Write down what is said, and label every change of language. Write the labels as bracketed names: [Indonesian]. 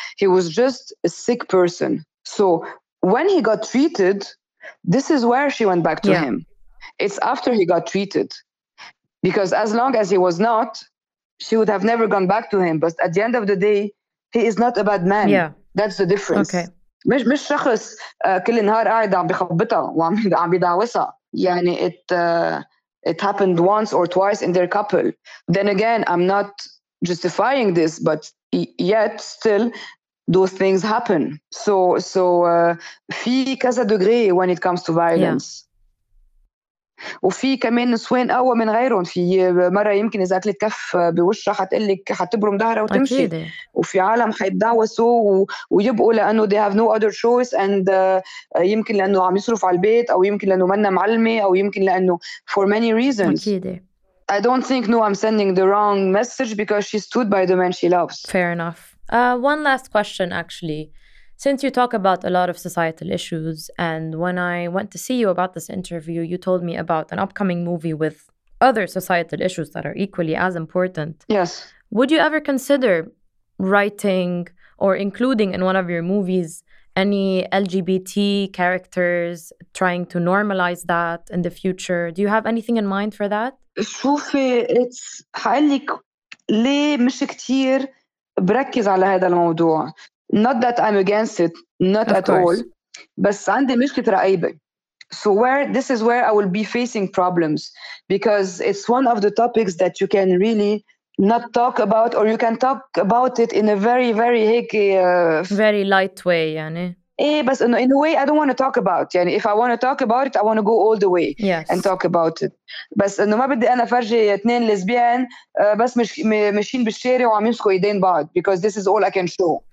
[English] He was just a sick person. So when he got treated, this is where she went back to him. It's after he got treated. Because as long as he was not, she would have never gone back to him. But at the end of the day, he is not a bad man. Yeah. That's the difference. Okay. [Arabic] مش شخص كل نهار قاعد عم بخبطها وعم بيدعوسها. يعني [English] it happened once or twice in their couple. Then again, I'm not justifying this, but yet still, those things happen. So [Arabic] في كذا دغري [English] when it comes to violence. Yeah. [Arabic] وفي كمان نسوان أقوى من غيرهم. في مرة يمكن إذا أكلت كف بوشها حتقلك حتبرم ظهرها وتمشي. أكيد. وفي عالم حيتدعوسوا ويبقوا لأنه [English] they have no other choice [Arabic] and يمكن لأنه عم يصرف على البيت أو يمكن لأنه منا معلمة أو يمكن لأنه [English] for many reasons. [Arabic] أكيد. [English] I don't think no I'm sending the wrong message because she stood by the man she loves. Fair enough. One last question actually. Since you talk about a lot of societal issues, and when I went to see you about this interview, you told me about an upcoming movie with other societal issues that are equally as important. Yes. Would you ever consider writing or including in one of your movies any LGBT characters, trying to normalize that in the future? Do you have anything in mind for that? [Arabic] شوفي, [English] it's highly, [Arabic] ليه مش كتير بركز على هذا الموضوع. [English] Not that I'm against it, not of at course. All. [Arabic] بس عندي مشكلة رأيبة. [English] So where this is where I will be facing problems because it's one of the topics that you can really not talk about or you can talk about it in a very, very hicky, very light way, [Arabic] يعني. إيه بس [English] in a way I don't want to talk about. [Arabic] يعني [English] if I want to talk about it, I want to go all the way yes. and talk about it. [Arabic] بس إنه ما بدي أنا فرجي اثنين لسبيان بس مشين بالشارع وعم يمسكوا إيدين بعض [English] because this is all I can show.